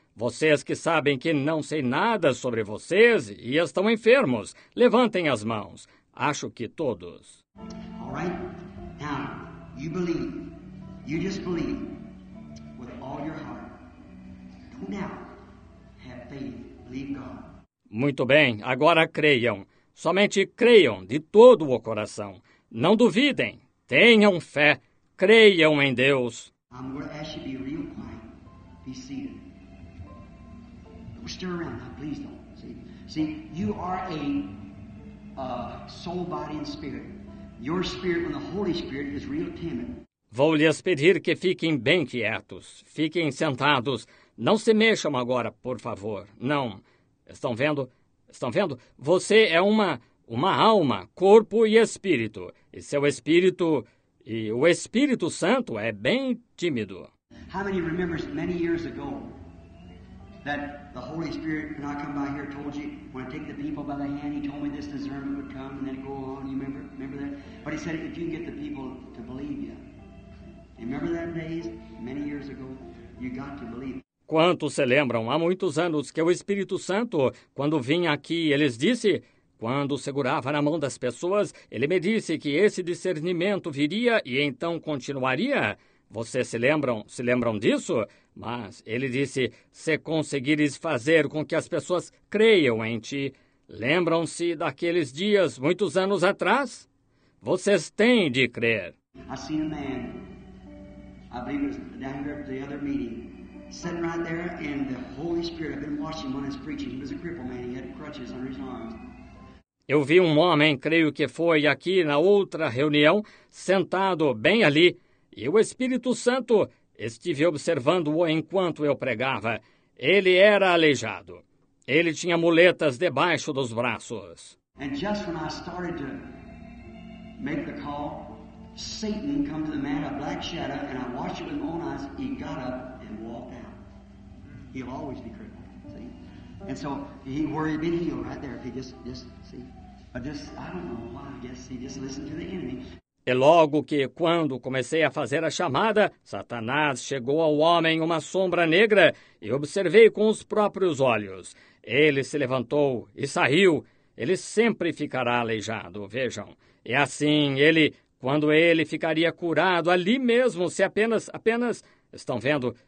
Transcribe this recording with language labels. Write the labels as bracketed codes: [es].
[pt] Vocês que sabem que não sei nada sobre vocês e estão enfermos, levantem as mãos. Acho que todos. [en] All right. Now, you believe. You just believe with all your heart. Don't doubt. Have faith. Believe God. [pt] Muito bem. Agora creiam. Somente creiam de todo o coração. Não duvidem. Tenham fé, creiam em Deus. [en] I'm going to ask you to be real quiet. Be seated. Don't stir around now, please don't. See, you are a soul, body, and spirit. Your spirit and the Holy Spirit is real timid. [pt] Vou lhes pedir que fiquem bem quietos. Fiquem sentados. Não se mexam agora, por favor. Não. Estão vendo? Estão vendo? Você é uma alma, corpo e espírito. E seu espírito, e o Espírito Santo é bem tímido. [en] How many remembers many years ago that the Holy Spirit, when I come by here, told you, when I take the people by the hand, he told me this discernment would come and then it'd go on. You remember? Remember that? But he said, if you can get the people to believe you. Remember that days, many years ago, you got to believe. [pt] Quantos se lembram, há muitos anos, que o Espírito Santo, quando vinha aqui, eles disse, quando segurava na mão das pessoas, ele me disse que esse discernimento viria e então continuaria. Vocês se lembram disso? Mas ele disse, se conseguires fazer com que as pessoas creiam em ti, lembram-se daqueles dias, muitos anos atrás? Vocês têm de crer. Eu vi um homem, eu acredito que foi lá para a outra reunião. [en] Sitting right there, and the Holy Spirit, I've been watching when he's preaching. He was a crippled man. He had crutches under his arms. [pt] Eu vi homem, creio que foi aqui na outra reunião, sentado bem ali, e o Espírito Santo estive observando-o enquanto eu pregava. Ele era aleijado. Ele tinha muletas debaixo dos braços. [en] And just when I started to make the call, Satan came to the man, a black shadow, and I watched it with my own eyes. He got up. He'll always be crippled, see? And so he worried, been healed right there. If he just see. But just, I don't know why, I guess he just listened to the enemy. [pt] E logo que, quando comecei a fazer a chamada, Satanás chegou ao homem uma sombra negra e observei com os próprios olhos. Ele se levantou e saiu. Ele sempre ficará aleijado, vejam. E assim ele, quando ele ficaria curado ali mesmo, se apenas, estão vendo?